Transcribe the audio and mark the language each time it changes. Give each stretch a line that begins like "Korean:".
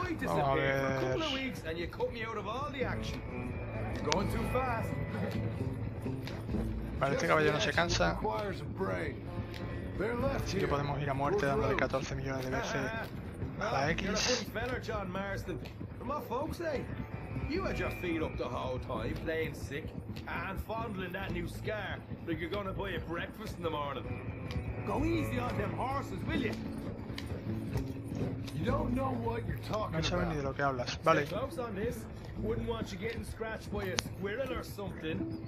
English: I disappeared for a couple of weeks and you cut me out of all the action. You're going too fast.
Spanish: Vale, este caballero no se cansa. Así que podemos ir a muerte dándole 14 millones de veces a la X.
English: John Marston. My folks, eh? You had your feet up the whole time, playing sick and fondling that new scar like you're gonna buy a breakfast in the morning. Go easy on them horses, will you? You don't know what you're talking about.
Spanish: No saben ni de lo que hablas. Vale.
English: Wouldn't want you getting scratched by a squirrel or something.